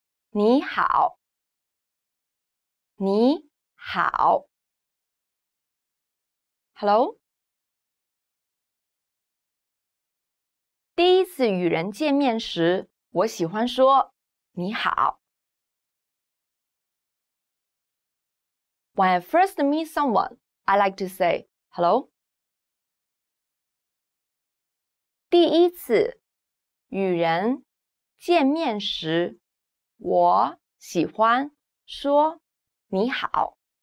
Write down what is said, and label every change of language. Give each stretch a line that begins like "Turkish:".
Chinese: 你好。你好。
English: Hello?
Chinese: 第一次与人见面时，我喜欢说你好。
English: When I first meet someone, I like to say hello.
Chinese: 第一次与人见面时，我喜欢说你好。